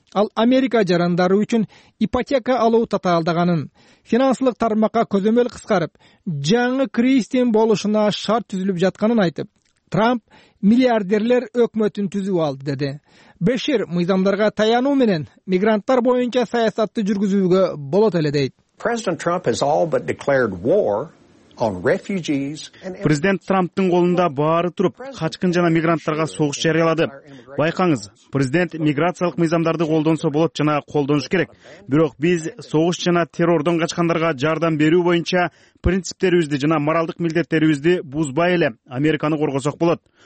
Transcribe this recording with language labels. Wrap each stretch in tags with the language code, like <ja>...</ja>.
<ky>Ал Америка жарандары үчүн ипотека алуу татаалдаганын, финансылык тармакка көзөмөл кыскарып, жаңы кризистин болушуна шарт түзүлүп жатканын айтып, Трамп миллиардерлер өкмөтүн түзүп алды, деди. Бешер мыйзамдарга таянуу менен мигранттар боюнча саясатты жүргүзүүгө болот эле дейт.</ky> <en>President Trump has all but declared war.</en> <ky>Президент Трамптын колунда баары туруп, качкын жана мигранттарга согуш жарыялады. Байкаңыз, президент миграциялык мыйзамдарды колдонсо болот жана колдонуш керек. Бирок биз согуш жана террордон качкандарга жардам берүү боюнча принциптерибизди жана моралдык милдеттерибизди бузбай эле Американы коргосок болот.</ky>